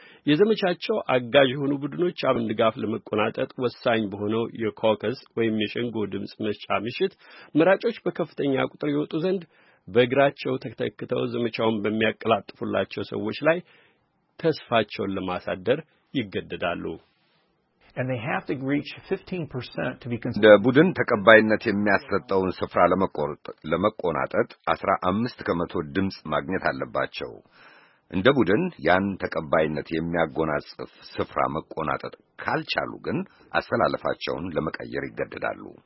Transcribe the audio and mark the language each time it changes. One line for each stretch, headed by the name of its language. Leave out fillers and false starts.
Amharic: የዘመቻቸው አጋዥ የሆኑ ቡድኖች አብን ድጋፍ ለመቆናጠጥ ወሳኝ በሆነው የኮከስ ወይም የሸንጎ ድምጽ መስጫ ምሽት መራጮች በከፍተኛ ቁጥር ይወጡ ዘንድ በእግራቸው ተተክተው ዘመቻውን በሚያቀላጥፉላቸው ሰዎች ላይ ተስፋቸውን ለማሳደር ይገደዳሉ።
English: And they have to reach 15% to be considered.
Amharic: ለቡድን ተቀባይነት የሚያሰጠውን ስፍራ ለመቆናጠጥ 15 ከመቶ ድምጽ ማግኘት አለባቸው። እንደ ቡድን ያን ተቀባይነት የሚያጎናጽፍ ስፍራ መቆናጠጥ ካልቻሉ ግን አሰላለፋቸውን ለመቀየር ይገደዳሉ።